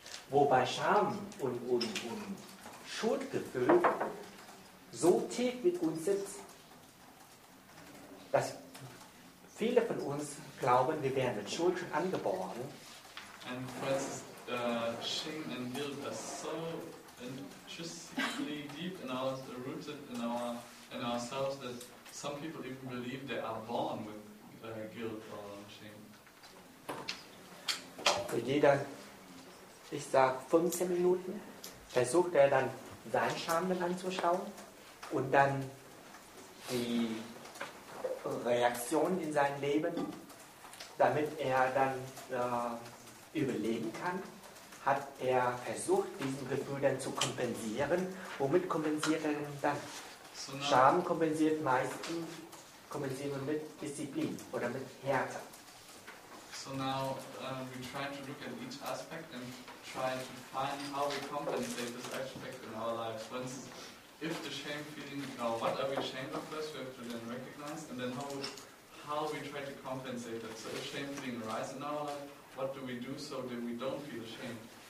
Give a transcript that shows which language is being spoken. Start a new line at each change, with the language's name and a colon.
German: wobei Scham und Schuldgefühl so tief mit uns sitzt, dass viele von uns glauben, wir wären mit Schuld schon angeboren.
English: And Francis, shame and guilt are so intrinsically deep in our rooted in our in ourselves that some people even believe they are born with guilt or shame.
German: Für jeder, ich sag 15 Minuten, versucht er dann sein Scham dann anzuschauen und dann die Reaktion in seinem Leben, damit er dann überlegen kann, hat er versucht, diesen Gefühl dann zu kompensieren. Womit kompensiert er denn dann? So now, Scham kompensiert meistens, kompensiert man mit Disziplin oder mit Härte.
English: So now we try to look at each aspect and try to find how we compensate this aspect in our lives. For instance, if the shame feeling, now what are we ashamed of first, we have to then recognize, and then how we try to compensate that. So if shame feeling arises in our life, what do we do so that we don't feel ashamed?